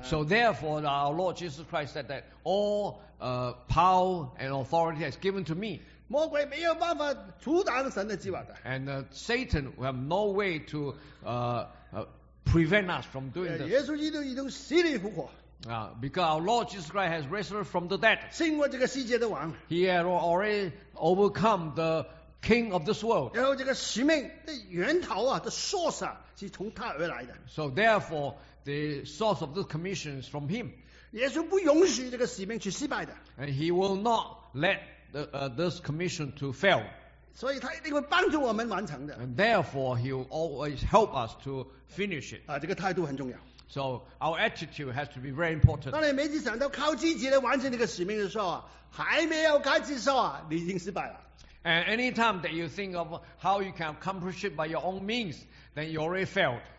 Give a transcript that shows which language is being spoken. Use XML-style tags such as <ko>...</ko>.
<en>So therefore, our Lord Jesus Christ said that all power and authority has given to me.</en> <zh>魔鬼没有办法阻挡神的计划的。And</zh> <en>Satan will have no way to prevent us from doing this.</en> <zh>耶稣基督已经死里复活。</zh> <en>Because our Lord Jesus Christ has risen from the dead.</en> <zh>胜过这个世界的王,</zh> <en>he had already overcome the king of this world.</en> <zh>然后这个使命的源头啊, the source, 是从他而来的。</zh> <en>So therefore, the source of this commission is from him.</en> <zh>耶稣不允许这个使命去失败的。</zh> <en>And he will not let this commission to fail.</en> <zh>所以他一定会帮助我们完成的。</zh> <en>And therefore, he will always help us to finish it.</en> <zh>这个态度很重要。</zh> <en>So our attitude has to be very important.</en> <zh>当你每次想到靠自己来完成这个使命的时候，还没有开始的时候，你已经失败了。</zh> <en>And any time that you think of how you can accomplish it by your own means, then you already failed.</en>